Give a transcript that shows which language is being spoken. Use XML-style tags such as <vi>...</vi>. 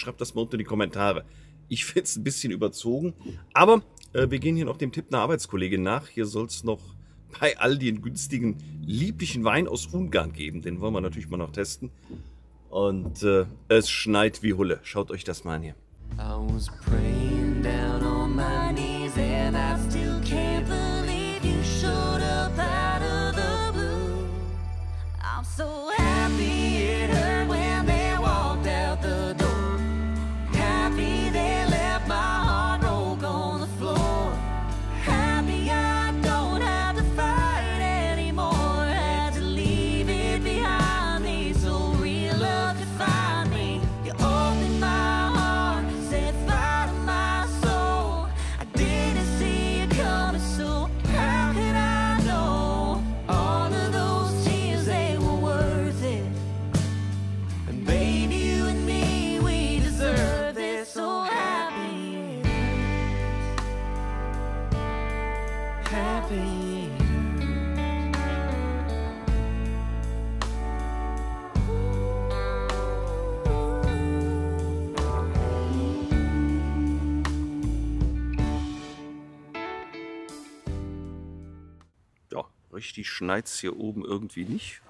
<de>Schreibt das mal unter die Kommentare. Ich find's ein bisschen überzogen. Aber wir gehen hier noch dem Tipp einer Arbeitskollegin nach. Hier soll's noch bei Aldi einen günstigen, lieblichen Wein aus Ungarn geben. Den wollen wir natürlich mal noch testen. Und es schneit wie Hulle. Schaut euch das mal an hier.</de> <en>I was praying down on my knees and I still can't believe you showed up out of the blue. I'm so happy it hurt when they walked out the door. Happy they left my heart broke on the floor. Happy I don't have to fight anymore. Had to leave it behind me so real love could find me. You opened my heart, set fire to my soul. I didn't see it coming, so how can I know? All of those tears, they were worth it. And baby, you and me, we deserve this. So happy years.</en> <de>Happy richtig schneit es hier oben irgendwie nicht.</de>